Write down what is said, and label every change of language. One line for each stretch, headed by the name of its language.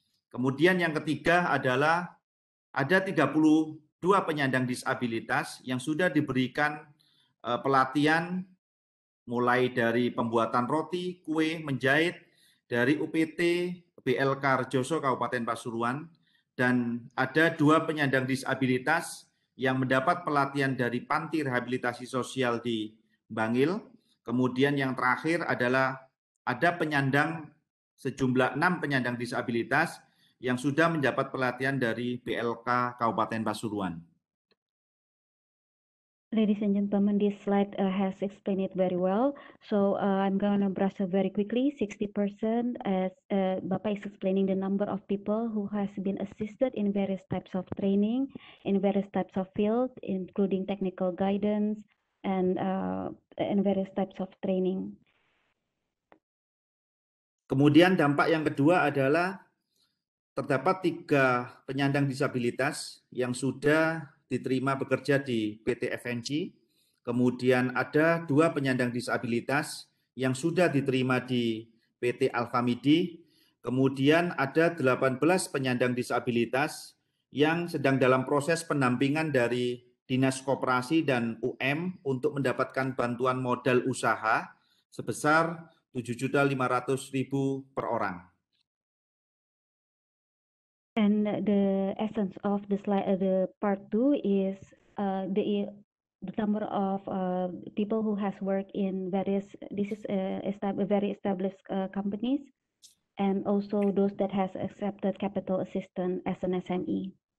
Indonesian: Kemudian yang ketiga adalah ada 32 penyandang disabilitas yang sudah diberikan pelatihan mulai dari pembuatan roti, kue, menjahit dari UPT BLK Rejoso Kabupaten Pasuruan, dan ada 2 penyandang disabilitas yang mendapat pelatihan dari Panti Rehabilitasi Sosial di Bangil. Kemudian yang terakhir adalah ada penyandang sejumlah 6 penyandang disabilitas yang sudah mendapat pelatihan dari BLK Kabupaten Pasuruan.
English: Ladies and gentlemen, this slide has explained it very well. So I'm going to brush up very quickly. 60% as Bapak is explaining the number of people who has been assisted in various types of training, in various types of field, including technical guidance and various types of training.
Indonesian: Kemudian dampak yang kedua adalah terdapat 3 penyandang disabilitas yang sudah diterima bekerja di PT FNG. Kemudian ada 2 penyandang disabilitas yang sudah diterima di PT Alfamidi. Kemudian ada 18 penyandang disabilitas yang sedang dalam proses pendampingan dari Dinas Koperasi dan UM untuk mendapatkan bantuan modal usaha sebesar Rp7.500.000 per orang.
English: And the essence of the slide, the part two is the number of people who has worked in various, this is a very established companies, and also those that has accepted capital assistance as an SME.